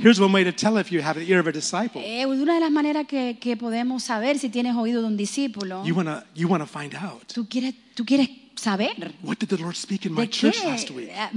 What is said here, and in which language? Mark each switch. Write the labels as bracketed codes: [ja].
[en] Here's one way to tell if you have the ear of a disciple. [es] Es una de las maneras que podemos saber si tienes oído de un discípulo. [en] You want to find out. [es] Tú quieres saber. [en] What did the Lord speak in my church last week?